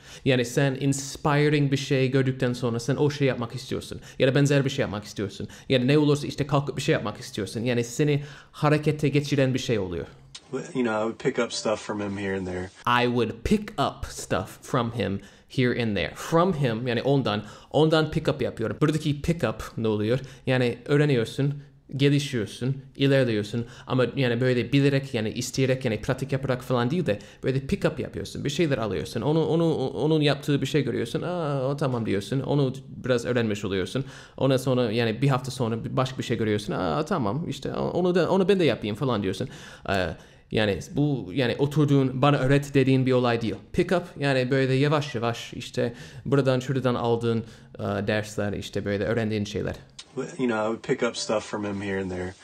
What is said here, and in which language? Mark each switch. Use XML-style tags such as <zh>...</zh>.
<tr>Yani sen inspiring bir şey gördükten sonra sen o şey yapmak istiyorsun. Ya da benzer bir şey yapmak istiyorsun. Yani ne olursa işte kalkıp bir şey yapmak istiyorsun. Yani seni harekete geçiren bir şey oluyor.</tr> <en>You know, I would pick up stuff from him here and there. I would pick up stuff from him here and there. From him,</en> <tr>yani ondan. Ondan pick up yapıyorum. Buradaki pick up ne oluyor? Yani öğreniyorsun, gelişiyorsun, ilerliyorsun. Ama yani böyle bilerek, yani isteyerek, yani pratik yaparak falan değil de böyle pick up yapıyorsun. Bir şeyler alıyorsun. Onun yaptığı bir şey görüyorsun. Aa, tamam diyorsun. Onu biraz öğrenmiş oluyorsun. Ondan sonra yani bir hafta sonra başka bir şey görüyorsun. Aa, tamam işte onu ben de yapayım falan diyorsun. Yani bu yani oturduğun bana öğret dediğin bir olay değil. Pick up yani böyle yavaş yavaş işte buradan şuradan aldığın dersler, işte böyle öğrendiğin şeyler.</tr> <en>You know, I would pick up stuff from him here and there.</en>